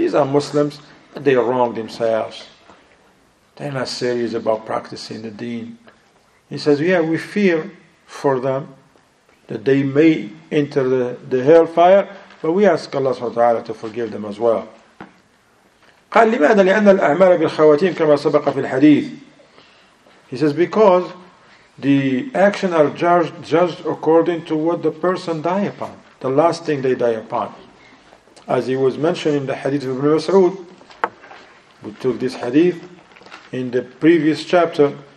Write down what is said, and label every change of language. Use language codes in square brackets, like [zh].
[en] These are Muslims, but they wrong themselves. They're not serious about practicing the deen. He says, yeah, we fear for them that they may enter the hellfire, but we ask Allah subhanahu wa ta'ala to forgive them as well. [ar] قال لماذا لأن الأعمال بالخواتيم كما سبق في الحديث. [en] He says, because the action are judged according to what the person die upon, the last thing they die upon. As he was mentioned in the hadith of Ibn Mas'ud, we took this hadith in the previous chapter.